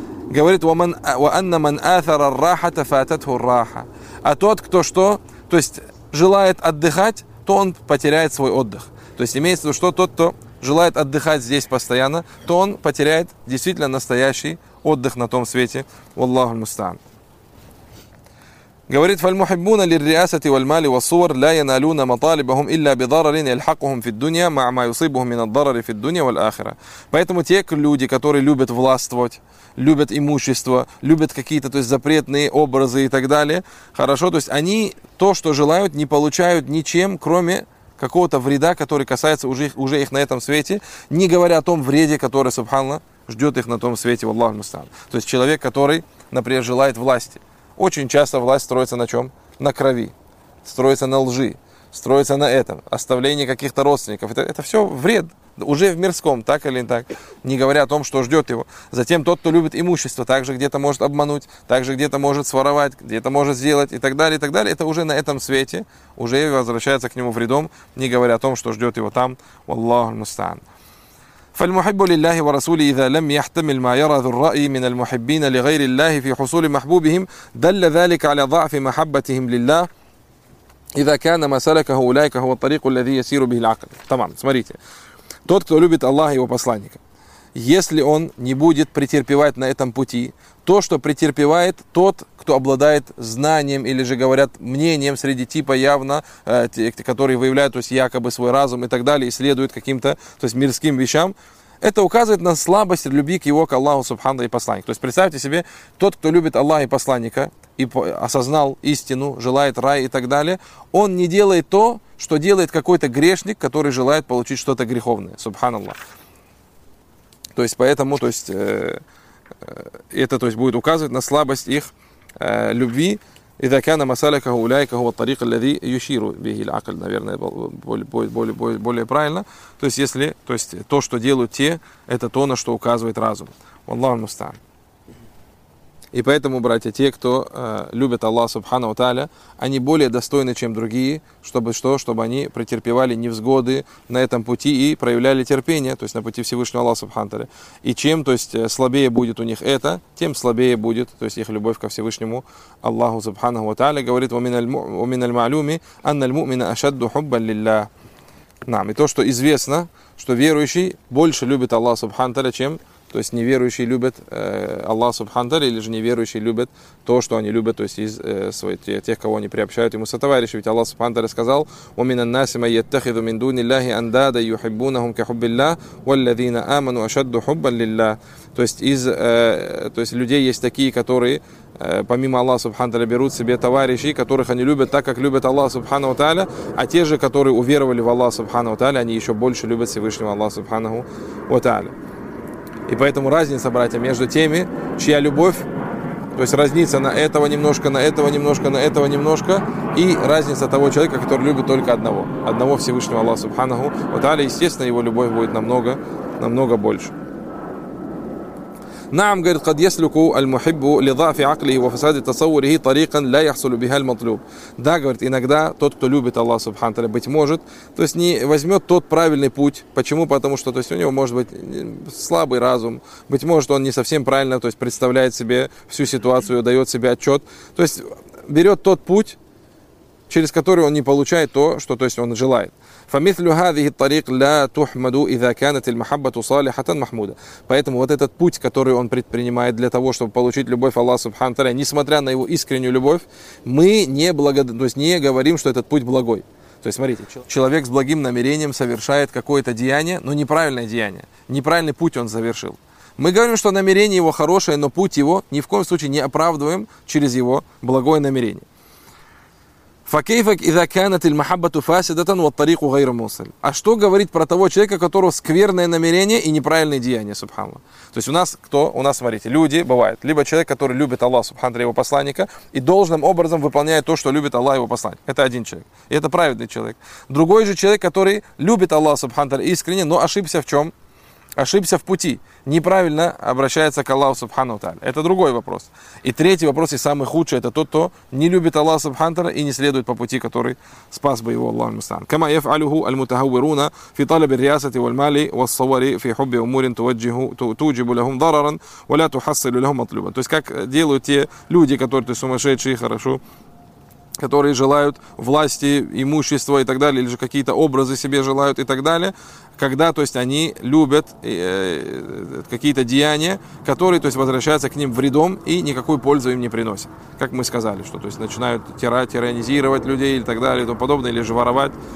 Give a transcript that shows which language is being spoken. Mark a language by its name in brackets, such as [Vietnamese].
[Russian] Говорит [Arabic] «ва-анна ман аثر الراحة فاتته الراحة». [Russian] А тот, кто что? То есть желает отдыхать, то он потеряет свой отдых. То есть имеется в виду, что тот, кто желает отдыхать здесь постоянно, то он потеряет действительно настоящий отдых на том свете. [Arabic] Валлаху аль-мустаан. [Russian] Говорит, [Arabic] فالمحبون للرئاسة والمال والصور لا ينالون مطالبهم إلا بضرر يلحقهم في الدنيا مع ما يصيبهم من الضرر في الدنيا والآخرة. [Russian] Поэтому те люди, которые любят властвовать, любят имущество, любят какие-то, то есть запретные образы и так далее, хорошо, то есть они то, что желают, не получают ничем, кроме какого-то вреда, который касается уже их на этом свете, не говоря о том вреде, который, субханна, ждет их на том свете, [Arabic] валлаху мустаан. [Russian] То есть человек, который, например, желает власти. Очень часто власть строится на чем? На крови, строится на лжи, строится на этом, оставление каких-то родственников. Это все вред, уже в мирском, так или не так, не говоря о том, что ждет его. Затем тот, кто любит имущество, также где-то может обмануть, также где-то может своровать, где-то может сделать и так далее, это уже на этом свете, уже возвращается к нему вредом, не говоря о том, что ждет его там. [Arabic] Валлаху мустаан. فالمحب لله ورسوله إذا لم يحتمل ما يرى ذو الرأي من المحبين لغير الله في حصول محبوبهم دل ذلك على ضعف محبتهم لله إذا كان ما سلكه أولئك هو الطريق الذي يسير به العقل. تمام. [Russian] Смотрите. Тот, кто любит Аллаха и его посланника, если он не будет претерпевать на этом пути то, что претерпевает тот, кто обладает знанием или же, говорят, мнением среди типа явно, которые выявляют, то есть, якобы свой разум и так далее, и следуют каким-то, то есть, мирским вещам, это указывает на слабость любви к его, к Аллаху, субханна, и посланнику. То есть, представьте себе, тот, кто любит Аллаха и посланника, и осознал истину, желает рай и так далее, он не делает то, что делает какой-то грешник, который желает получить что-то греховное, субханаллах. То есть, поэтому, то есть, это, то есть, будет указывать на слабость их любви. [Arabic] إذا كان مسالكه أولئك هو الطريق الذي يشير به العقل, [Russian] наверное, более правильно. То есть, если, то есть, то, что делают те, это то, на что указывает разум. [Arabic] والله المستعان. [Russian] И поэтому, братья, те, кто любят Аллаха Субхана ва Тааля, они более достойны, чем другие, чтобы что? Чтобы они претерпевали невзгоды на этом пути и проявляли терпение, то есть на пути Всевышнего Аллаха Субхана ва Тааля. И чем, то есть, слабее будет у них это, тем слабее будет, то есть, их любовь ко Всевышнему Аллаху Субхана ва Тааля. Говорит, [Arabic] وَمِنَ الْمَعْلُومِ أَنَّ الْمُؤْمِنَ أَشَدُّ حُبًّا لِلَّهِ. [Russian] Нам. И то, что известно, что верующий больше любит Аллаха Субхана ва Тааля, чем... То есть неверующие любят Аллах Субхану Тааля, или же неверующие любят то, что они любят, то есть из тех, кого они приобщают ему сотоварищи. Ведь Аллах Субхану Тааля сказал: [Arabic] وَمِنَ النَّاسِ مَن يَتَّخِذُ مِن دُونِ اللَّهِ أَنْدَادًا يُحِبُّونَهُمْ كَحُبِّ اللَّهِ وَالَّذِينَ آمَنُوا أَشَدُّ حُبًّا لِلَّهِ. [Russian] То есть из людей есть такие, которые помимо Аллаха Субхану Тааля берут себе товарищей, которых они любят так, как любят Аллаха Субхану Тааля, а те же, которые уверовали в Аллаха Субхану Тааля, они еще больше любят Всевышнего Аллаха Субхану Тааля. И поэтому разница, братья, между теми, чья любовь, то есть разница на этого немножко, на этого немножко, на этого немножко, и разница того человека, который любит только одного, одного Всевышнего Аллаха Субханаху ва Тааля, естественно, его любовь будет намного, намного больше. Нам, говорит, [Arabic] قد يسلك المحب لضعف عقله وفساد تصوره طريقا لا يحصل بها المطلوب. [Russian] Да, говорит, иногда тот, кто любит Аллаха Субхану Тааля, быть может, то есть не возьмет тот правильный путь. Почему? Потому что, то есть, у него может быть слабый разум, быть может, он не совсем правильно, то есть, представляет себе всю ситуацию, дает себе отчет. То есть берет тот путь, через который он не получает то, что, то есть, он желает. [Arabic] فمثل هذه الطريق لا تحمد إذا كانت المحبة صالحة محمودة. [Russian] Поэтому вот этот путь, который он предпринимает для того, чтобы получить любовь Аллаха Субхану Тааля, несмотря на его искреннюю любовь, мы не то есть не говорим, что этот путь благой. То есть смотрите, человек с благим намерением совершает какое-то деяние, но неправильное деяние, неправильный путь он завершил. Мы говорим, что намерение его хорошее, но путь его ни в коем случае не оправдываем через его благое намерение. [Arabic] فكيفك إذا كانت المحبة فاسدة والطريق غير موصل. [Russian] А что говорить про того человека, у которого скверное намерение и неправильные деяния, субханаллах? То есть у нас кто? У нас, смотрите, люди бывают. Либо человек, который любит Аллаха, субханаллах, его посланника, и должным образом выполняет то, что любит Аллах, его посланник. Это один человек. И это праведный человек. Другой же человек, который любит Аллаха, субханаллах, искренне, но ошибся в чем? Ошибся в пути. Неправильно обращается к Аллаху Субхану Тааля. Это другой вопрос. И третий вопрос, и самый худший, это тот, кто не любит Аллаха Субхану Тааля и не следует по пути, который спас бы его Аллах Мусан. [Arabic] كما يفعله المتهورون في طلب الرئاسة والمال والصور في حب أمور توجب لهم ضررا ولا تحصل لهم مطلوبا. [Russian] То есть, как делают те люди, которые сумасшедшие, хорошо, которые желают власти, имущества и так далее, или же какие-то образы себе желают и так далее, когда, то есть, они любят какие-то деяния, которые, то есть, возвращаются к ним вредом и никакую пользу им не приносят. Как мы сказали, что, то есть, начинают тиранизировать людей и так далее, и тому подобное, или же воровать.